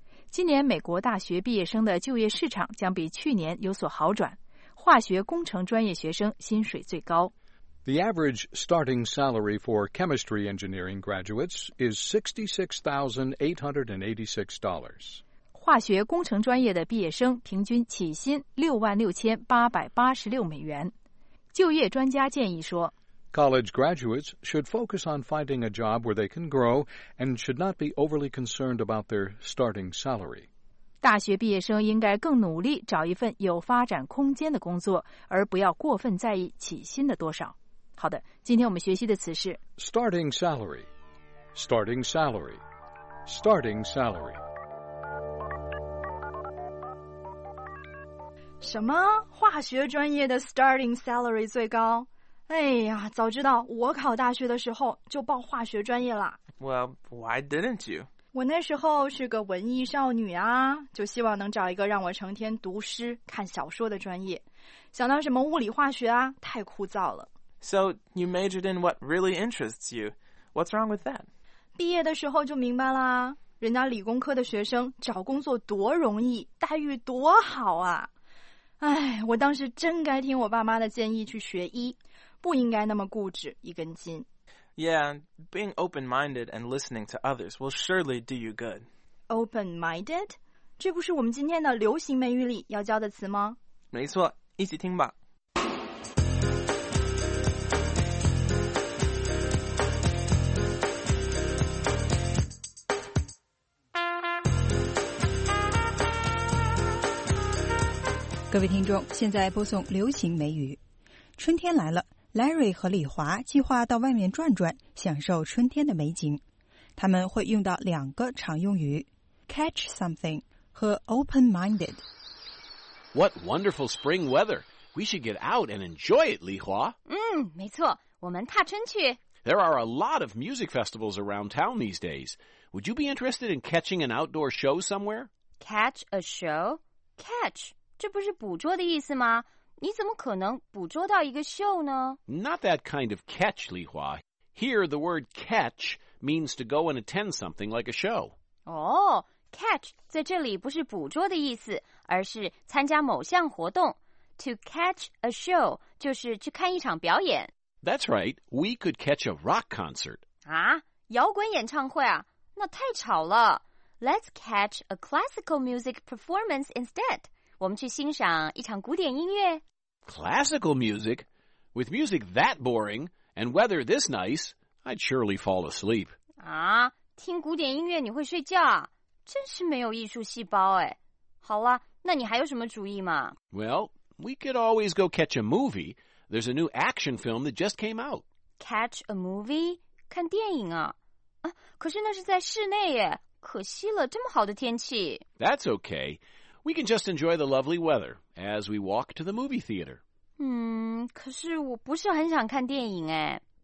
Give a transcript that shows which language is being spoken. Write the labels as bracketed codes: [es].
[zh] 今年美国大学毕业生的就业市场将比去年有所好转。化学工程专业学生薪水最高。 [en] The average starting salary for chemistry engineering graduates is $66,886. [zh] 化学工程专业的毕业生平均起薪$66,886。就业专家建议说， [en] College graduates should focus on finding a job where they can grow and should not be overly concerned about their starting salary. [zh] 大学毕业生应该更努力找一份有发展空间的工作，而不要过分在意起薪的多少。好的，今天我们学习的词是 [en] starting salary, starting salary, starting salary。 [zh] 什么？化学专业的 [en] starting salary [zh] 最高？哎呀，早知道我考大学的时候就报化学专业了。 [en] Well, why didn't you? [zh] 我那时候是个文艺少女啊，就希望能找一个让我成天读诗看小说的专业，想到什么物理化学啊，太枯燥了。 [en] So you majored in what really interests you. What's wrong with that? [zh] 毕业的时候就明白啦，人家理工科的学生找工作多容易，待遇多好啊。哎，我当时真该听我爸妈的建议去学医，不应该那么固执一根筋。 [en] Yeah, being open-minded and listening to others will surely do you good. Open-minded? [zh] 这不是我们今天的流行美语里要教的词吗？没错，一起听吧。各位听众，现在播送流行美语。春天来了，Larry 和李华计划到外面转转，享受春天的美景。他们会用到两个常用语 catch something 和 open-minded。 [en] What wonderful spring weather! We should get out and enjoy it, 李华。 [zh] 嗯，没错，我们踏春去。 [en] There are a lot of music festivals around town these days. Would you be interested in catching an outdoor show somewhere? Catch a show? Catch, [zh] 这不是捕捉的意思吗？你怎么可能捕捉到一个秀呢？ [en] Not that kind of catch, Li Hua. Here, the word catch means to go and attend something like a show. [zh] Oh, catch 在这里不是捕捉的意思，而是参加某项活动。 [en] To catch a show [zh] 就是去看一场表演。 [en] That's right. We could catch a rock concert. [zh] 啊，摇滚演唱会啊？那太吵了。 [en] Let's catch a classical music performance instead. [zh] 我们去欣赏一场古典音乐。 [en] Classical music? With music that boring, and weather this nice, I'd surely fall asleep. [zh] 啊，听古典音乐你会睡觉啊？真是没有艺术细胞哎。好了，那你还有什么主意吗？ [en] Well, we could always go catch a movie. There's a new action film that just came out. Catch a movie? [zh] 看电影啊？啊，可是那是在室内耶，可惜了，这么好的天气。 [en] That's okay. We can just enjoy the lovely weather as we walk to the movie theater. [zh] 可是我不是很想看电影哎。